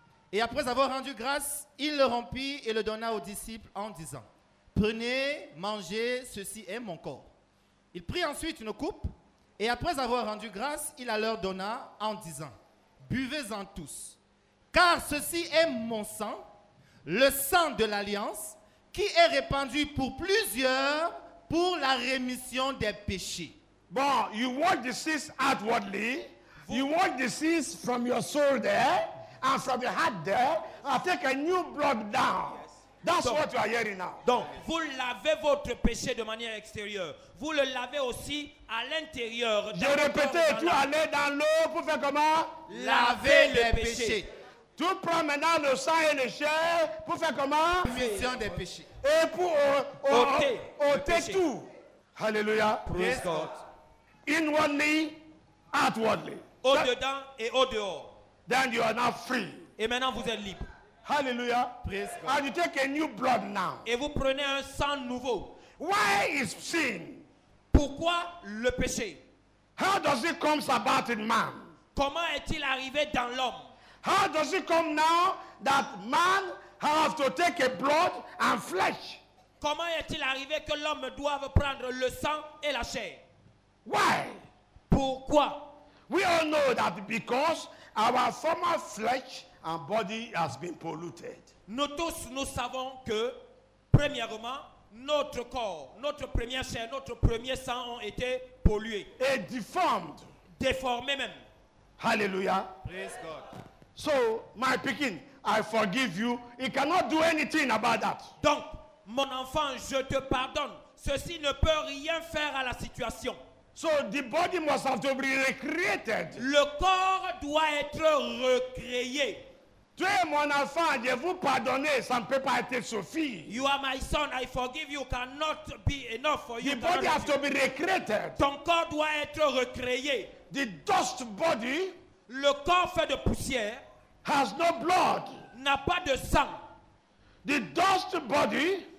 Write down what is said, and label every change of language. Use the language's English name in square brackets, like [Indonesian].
[French] Et après avoir rendu grâce, il le rompit et le donna aux disciples en disant, « Prenez, mangez, ceci est mon corps. » Il prit ensuite une coupe et après avoir rendu grâce, il la leur donna en disant, « Buvez-en tous, car ceci est mon sang, le sang de l'Alliance, qui est répandu pour plusieurs pour la rémission des péchés. » [English] Bon, you want the sins outwardly, you want the sins from your soul there, and from your heart there, and take a new blood down. That's what you are hearing now. [French] Donc, vous lavez votre péché de manière extérieure. Vous le lavez aussi à l'intérieur. Je répète, tu allais dans l'eau pour faire comment? Laver les péchés. Tu prends maintenant le sang et le chair pour faire comment? Rémission des péchés. Et pour ôter tout. Hallelujah. [English] Praise God. Inwardly, outwardly. [French] Au-dedans et au-dehors. [English] Then you are now free. [French] Et maintenant vous êtes libre. Hallelujah. [English] Praise God. And you take a new blood now. [French] Et vous prenez un sang nouveau. [English] Why is sin? [French] Pourquoi le péché? [English] How does it come about in man? [French] Comment est-il arrivé dans l'homme? [English] How does it come now that man have to take a blood and flesh? [French] Comment est-il arrivé que l'homme doive prendre le sang et la chair? [English] Why? [French] Pourquoi? [English] We all know that because our former flesh and body has been polluted. [French] Nous tous, nous savons que, premièrement, notre corps, notre première chair, notre premier sang ont été pollués. [English] Et deformed. [French] Déformés même. Hallelujah. [English] Praise God. So, my pekin, I forgive you. It cannot do anything about that. [French] Donc, mon enfant, je te pardonne. Ceci ne peut rien faire à la situation. So the body must have to be recreated. Le corps doit être recréé. Tu es mon enfant, je vous pardonne, ça ne peut pas être suffisant. [English] You are my son, I forgive you, cannot be enough for you. The body has to be recreated. [French] Ton corps doit être recréé. [English] The dust body. [French] Le corps fait de poussière. [English] Has no blood. [French] N'a pas de sang. [English] The dust body.